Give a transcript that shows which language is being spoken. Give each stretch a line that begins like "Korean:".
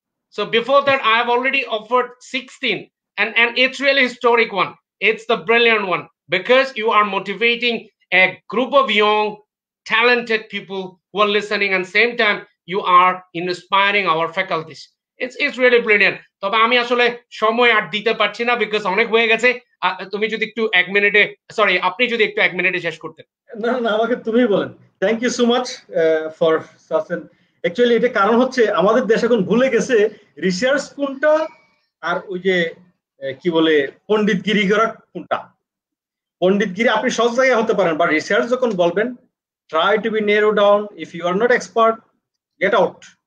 English: So before that, I have already offered 16. And it's really historic one. It's the brilliant one, because you are motivating a group of young talented people who are listening and same time you are inspiring our faculties. It's really brilliant.
Bangla: তবে আমি আসলে সময় আর দিতে পারছি না
English: because
Bangla: অনেক হয়ে গেছে. তুমি যদি একটু 1 মিনিটে সরি আপনি যদি একটু 1 মিনিটে শেষ করতেন. না না আমাকে তুমি বলেন.
English: Thank you so much for Sasan. Actually
Bangla: এটা কারণ হচ্ছে আমাদের দেশ এখন ভুলে গেছে রিসার্চ কোনটা আর ওই যে কি বলে পণ্ডিতগিরি করা কোনটা. পণ্ডিতগিরি আপনি সব জায়গায় হতে পারেন
English: but research
Bangla: যখন বলবেন
English: try to be narrow down if you are not expert get out